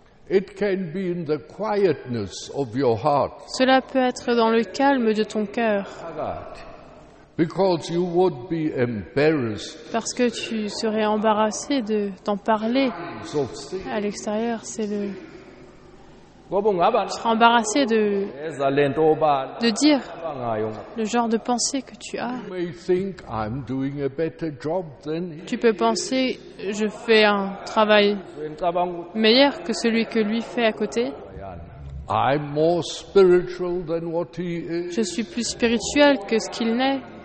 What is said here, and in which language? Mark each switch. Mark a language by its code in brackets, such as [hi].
[en] It can be in the quietness of your heart. [fr] Cela peut être dans le calme de ton cœur. [en] Because you would be embarrassed. [fr] Parce que tu serais embarrassé de t'en parler à l'extérieur. Tu seras embarrassé de dire le genre de pensée que tu as. [en] You may think I'm doing a better job than he. [fr] Tu peux penser je fais un travail meilleur que celui que lui fait à côté. [en] I'm more spiritual than what he is. [fr] Je suis plus spirituel que ce qu'il n'est.